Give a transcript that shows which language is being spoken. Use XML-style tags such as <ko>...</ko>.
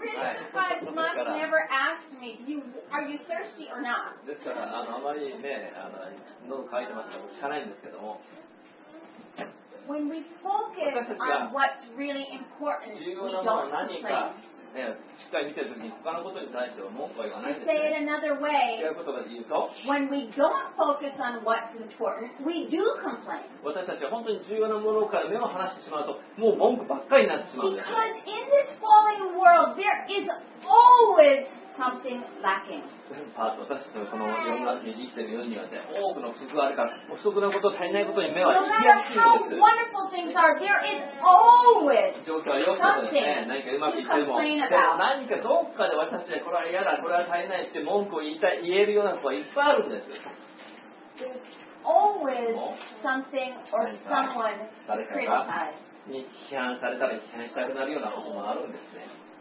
<en>really surprised Mark never asked me, are you thirsty or not?</en> <ja>ですから、あまりね、喉渇いてますから、聞かないんですけども。</ja> <en>When we focus on what's really important, we don't complain.</en> <ja>ね、しっかり見てるときに他のことに対しては文句は言わないんです</ja> <en>ね。Say it another way,</en> <ja>違うことが言うと</ja> <en>When we don't focus on what's important, we do complain.</en> <ja>私たちは本当に重要なものから目を離してしまうともう文句ばっかりになってしまうんです</ja> <en>Because in this fallen world, there is always something lacking. No matter how wonderful things are, there is always something to complain about.</en>